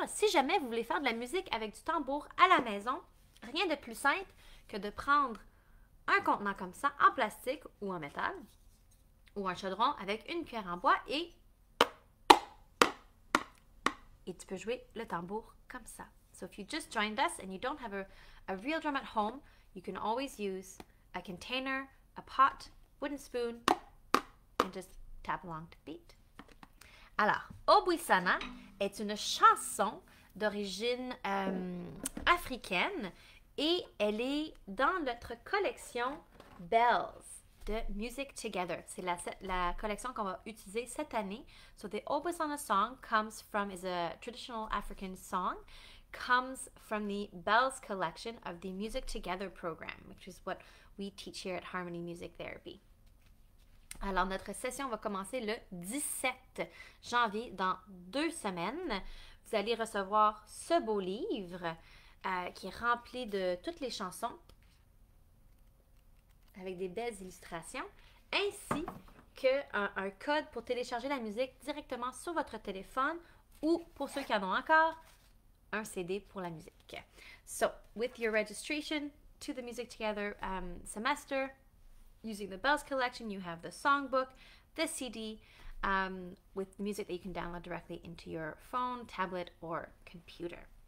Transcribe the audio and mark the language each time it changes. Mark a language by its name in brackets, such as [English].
[French] Si jamais vous voulez faire de la musique avec du tambour à la maison, rien de plus simple que de prendre un contenant comme ça en plastique ou en métal ou un chaudron avec une cuillère en bois et tu peux jouer le tambour comme ça. [English] So if you just joined us and you don't have a real drum at home, you can always use a container, a pot, wooden spoon and just tap along to beat. [French] Alors, Obuisana est une chanson d'origine africaine et elle est dans notre collection Bells de Music Together. C'est la collection qu'on va utiliser cette année. [English] So the Obuisana song comes from, is a traditional African song, comes from the Bells collection of the Music Together program, which is what we teach here at Harmony Music Therapy. [French] Alors, notre session va commencer le 17 janvier, dans 2 semaines. Vous allez recevoir ce beau livre qui est rempli de toutes les chansons, avec des belles illustrations, ainsi qu'un code pour télécharger la musique directement sur votre téléphone ou, pour ceux qui en ont encore, un CD pour la musique. [English] So, with your registration to the Music Together semester, using the Bells Collection, you have the songbook, the CD, with music that you can download directly into your phone, tablet, or computer.